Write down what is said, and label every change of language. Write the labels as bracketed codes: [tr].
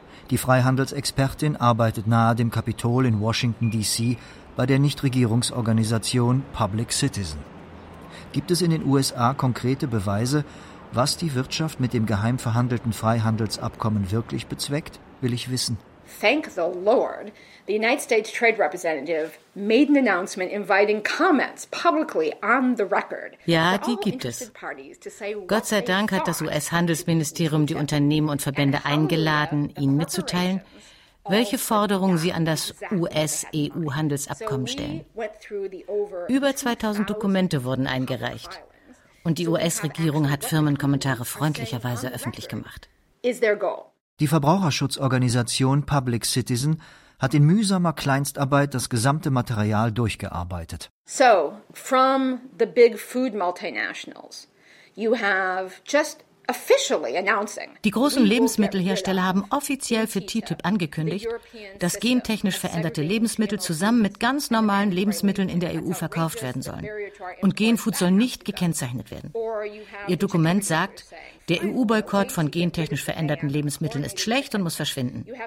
[de] Die Freihandelsexpertin arbeitet nahe dem Kapitol in Washington, D.C., bei der Nichtregierungsorganisation Public Citizen. Gibt es in den USA konkrete Beweise, Was die Wirtschaft mit dem geheim verhandelten Freihandelsabkommen wirklich bezweckt, will ich wissen. [en] Thank the Lord, the United States Trade Representative made an announcement inviting comments publicly on the record. [de] Ja, die gibt es. Gott sei Dank hat das US-Handelsministerium die Unternehmen und Verbände eingeladen, ihnen mitzuteilen, welche Forderungen sie an das US-EU-Handelsabkommen stellen. Über 2000 Dokumente wurden eingereicht. Und die US-Regierung hat Firmenkommentare freundlicherweise öffentlich gemacht. Die Verbraucherschutzorganisation Public Citizen hat in mühsamer Kleinstarbeit das gesamte Material durchgearbeitet. [en] So, from the big food multinationals, you have just officially announcing. [de] Die großen Lebensmittelhersteller haben offiziell für TTIP angekündigt, dass gentechnisch veränderte Lebensmittel zusammen mit ganz normalen Lebensmitteln in der EU verkauft werden sollen. Und Genfood soll nicht gekennzeichnet werden. Ihr Dokument sagt, der EU-Boykott von gentechnisch veränderten Lebensmitteln ist schlecht und muss verschwinden.